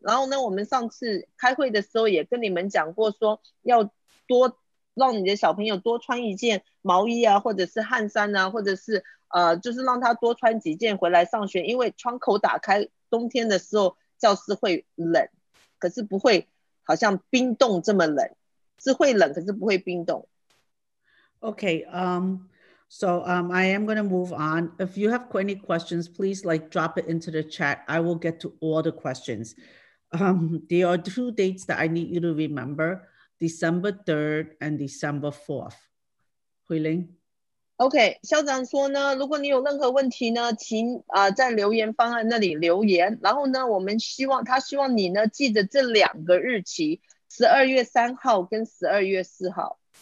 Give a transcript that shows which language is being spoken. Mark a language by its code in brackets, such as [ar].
[zh] 然后呢，我们上次开会的时候也跟你们讲过说，说要多让你的小朋友多穿一件毛衣啊，或者是汗衫啊，或者是就是让他多穿几件回来上学，因为窗口打开，冬天的时候教室会冷，可是不会好像冰冻这么冷，是会冷，可是不会冰冻。 [en] Okay, so I am going to move on. If you have any questions, please like drop it into the chat. I will get to all the questions. There are two dates that I need you to remember, December 3rd and December 4th. Hui Ling? [zh] Okay, 校长说呢，如果你有任何问题呢，请在留言方案那里留言。然后呢，我们希望他希望你呢记得这两个日期，12月3号跟12月4号。